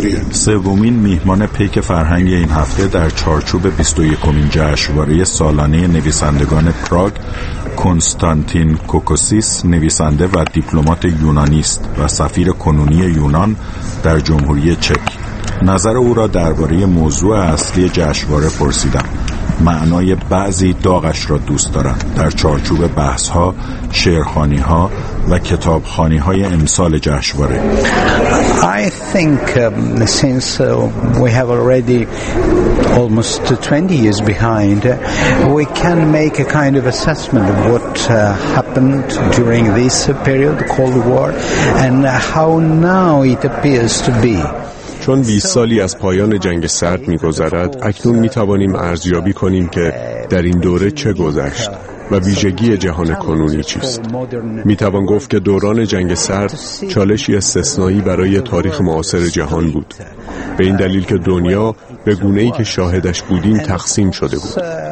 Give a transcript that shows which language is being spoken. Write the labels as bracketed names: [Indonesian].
[Persian] سومین میهمان پیک فرهنگ این هفته در چارچوب 21مین جشنواره سالانه نویسندگان پراگ، کنستانتین کوکوسیس نویسنده و دیپلمات یونانی است و سفیر کنونی یونان در جمهوری چک. نظر او را درباره موضوع اصلی جشنواره پرسیدم. معنای بعضی داغش را دوست دارم. در چارچوب بحث‌ها، شعرخوانی‌ها و کتابخوانی‌های امسال جشنواره. [English] I think since we have already almost 20 years behind, we can make a kind of assessment of what happened during this period, the Cold War, and how now it appears to be. [Persian] چون 20 سالی از پایان جنگ سرد می‌گذرد، اکنون می‌توانیم ارزیابی کنیم که در این دوره چه گذشت و ویژگی جهان کنونی چیست. می‌توان گفت که دوران جنگ سرد چالشی استثنایی برای تاریخ معاصر جهان بود، به این دلیل که دنیا به گونه‌ای که شاهدش بودیم تقسیم شده بود.